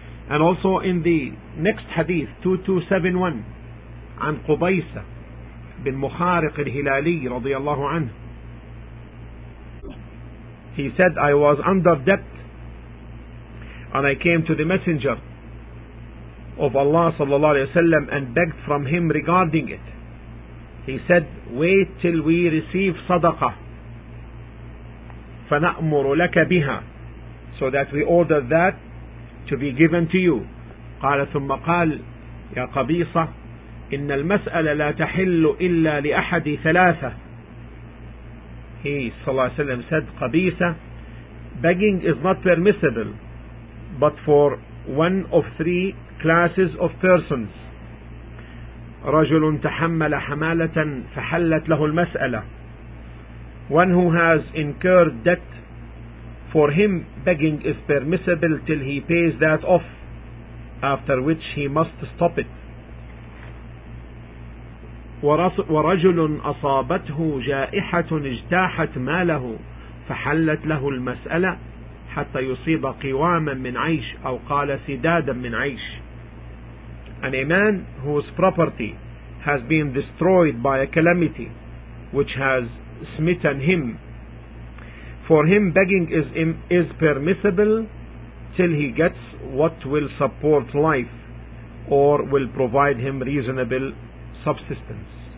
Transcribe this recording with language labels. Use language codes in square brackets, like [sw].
[en] And also in the next hadith, 2271, [ar] عن قبيسة بن مخارق الهلالي رضي الله عنه, [en] he said, I was under debt and I came to the messenger of Allah sallallahu alayhi wa sallam and begged from him regarding it. He said, wait till we receive sadaqah [ar] فَنَأْمُرُ لَكَ بِهَا, [en] so that we order that to be given to you. [ar] قال ثم قال يا قبيصة إن المسألة لا تحل إلا لأحد ثلاثة. [en] He sallallahu alayhi wa sallam said, قبيصة, begging is not permissible but for one of three classes of persons. [ar] رجل تحمل حمالة فحلت له المسألة. [en] One who has incurred debt, for him begging is permissible till he pays that off, after which he must stop it. [ar] ورجل أصابته جائحة اجتاحت ماله فحلت له المسألة حتى يصيب قواما من عيش أو قال سدادا من عيش. [en] An man whose property has been destroyed by a calamity which has smitten him, for him begging is permissible till he gets what will support life or will provide him reasonable subsistence.